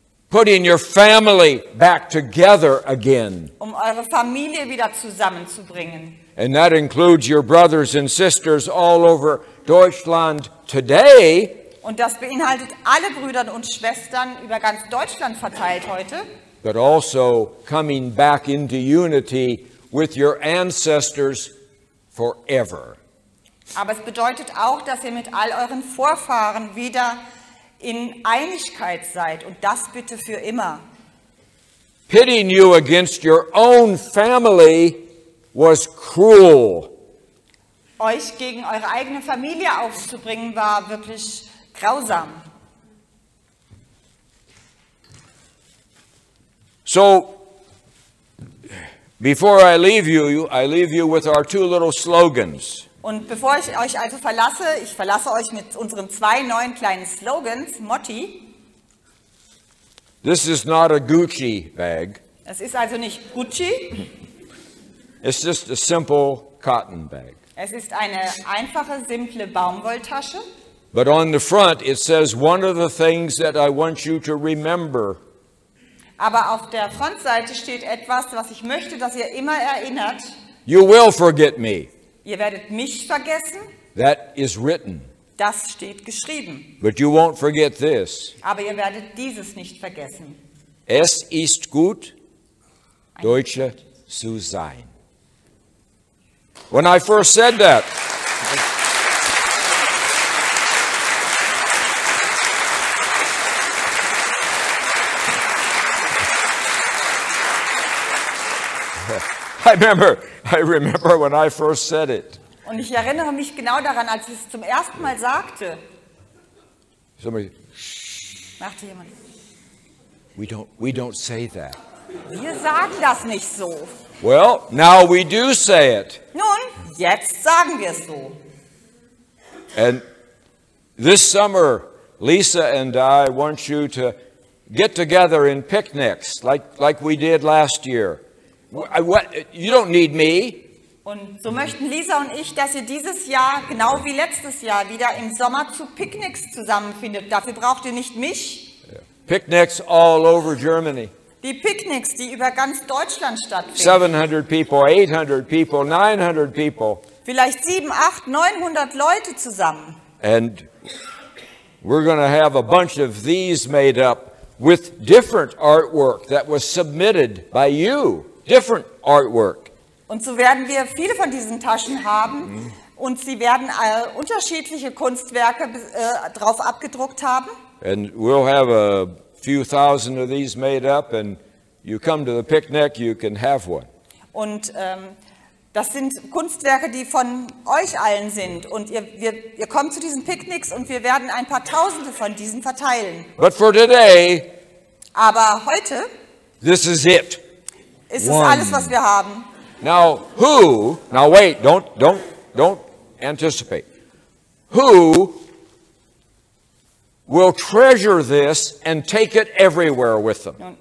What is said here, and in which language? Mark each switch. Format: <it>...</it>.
<en>Putting your family back together again.</en> <de>Um eure Familie wieder zusammenzubringen.</de> <en>And that includes your brothers and sisters all over Deutschland today.</en> <de>Und das beinhaltet alle Brüder und Schwestern über ganz Deutschland verteilt heute.</de> <en>But also coming back into unity with your ancestors forever.</en> <de>Aber es bedeutet auch, dass ihr mit all euren Vorfahren wieder in Einigkeit seid, und das bitte für immer.</de> <en>Pitting you against your own family was cruel.</en> <de>Euch gegen eure eigene Familie aufzubringen war wirklich grausam.</de> <en>So, before I leave you with our two little slogans.</en> <de>Und bevor ich euch also verlasse, ich verlasse euch mit unseren zwei neuen kleinen Slogans, Motti.</de> <en>This is not a Gucci bag.</en> <de>Es ist also nicht Gucci.</de> <en>It's just a simple cotton bag.</en> <de>Es ist eine einfache, simple Baumwolltasche.</de> <en>But on the front it says one of the things that I want you to remember.</en> <de>Aber auf der Frontseite steht etwas, was ich möchte, dass ihr immer erinnert.</de> <en>You will forget me.</en> <de>Ihr werdet mich vergessen.</de> <en>That is written.</en> <de>Das steht geschrieben.</de> <en>But you won't forget this.</en> <de>Aber ihr werdet dieses nicht vergessen. Es ist gut, Deutsche zu sein.</de> <en>When I first said that. I remember when I first said it.</en> <de>Und ich erinnere mich genau daran, als ich es zum ersten Mal sagte.</de> <en>Somebody.</en> <de>Machte jemand.</de> <en>We don't say that.</en> <de>Wir sagen das nicht so.</de> <en>Well, now we do say it.</en> <de>Nun, jetzt sagen wir es so.</de> <en>And this summer, Lisa and I want you to get together in picnics like we did last year. You don't need me.</en> <de>Und so möchten Lisa und ich, dass ihr dieses Jahr, genau wie letztes Jahr, wieder im Sommer zu Picknicks zusammenfindet. Dafür braucht ihr nicht mich.</de> <en>Picknicks all over Germany.</en> <de>Die Picknicks, die über ganz Deutschland stattfinden.</de> <en>700 people, 800 people, 900 people.</en> <de>Vielleicht 700, 800, 900 Leute zusammen.</de> <en>And we're going to have a bunch of these made up with different artwork that was submitted by you. different artwork.</en> <de>Und so werden wir viele von diesen Taschen haben. Und sie werden unterschiedliche Kunstwerke drauf abgedruckt haben.</de> <en>And we'll have a few thousand of these made up, and you come to the picnic, you can have one.</en> <de>Und das sind Kunstwerke, die von euch allen sind. Und ihr kommt zu diesen Picknicks, und wir werden ein paar Tausende von diesen verteilen.</de> <en>But for today,</en> <de>aber heute,</de> <en>this is it.</en> <de>Ist es alles, was wir haben.</de> <en>Now who? Now wait, don't anticipate. Who will treasure this and take it everywhere with them?</en>